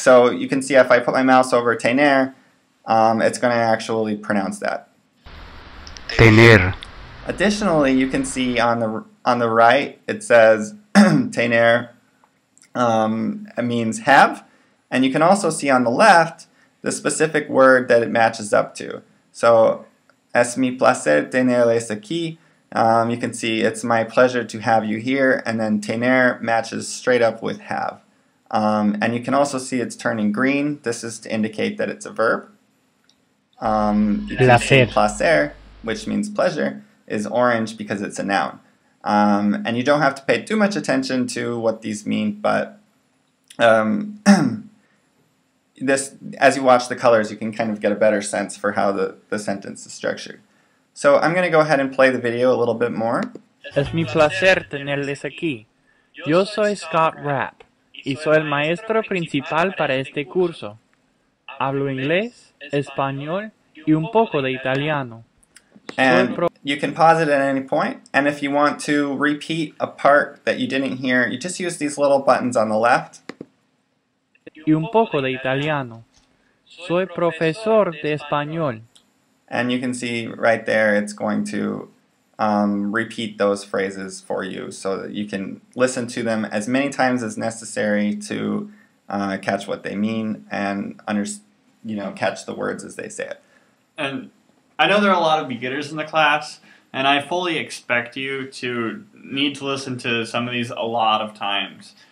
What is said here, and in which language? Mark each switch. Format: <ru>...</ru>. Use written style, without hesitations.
<en>So you can see if I put my mouse over tener, it's going to actually pronounce that. Pelier. Additionally, you can see on the right, it says tener. It means have, and you can also see on the left the specific word that it matches up to.</en> <es>So, es mi placer tenerles aquí.</es> <en>You can see it's my pleasure to have you here, and then tener matches straight up with have. And you can also see it's turning green. This is to indicate that it's a verb. Placer, which means pleasure, is orange because it's a noun. And you don't have to pay too much attention to what these mean, but this, as you watch the colors, you can kind of get a better sense for how the sentence is structured. So I'm going to go ahead and play the video a little bit more.</en> <es>Es mi placer tenerles aquí. Yo soy Scott Rapp, y soy el maestro principal para este curso. Hablo inglés, español, y un poco de italiano.</es> <en>And you can pause it at any point, and if you want to repeat a part that you didn't hear, you just use these little buttons on the left.</en> <es>Y un poco de italiano. Soy profesor de español.</es> <en>And you can see right there it's going to repeat those phrases for you so that you can listen to them as many times as necessary to catch what they mean and catch the words as they say it. And I know there are a lot of beginners in the class, and I fully expect you to need to listen to some of these a lot of times.</en>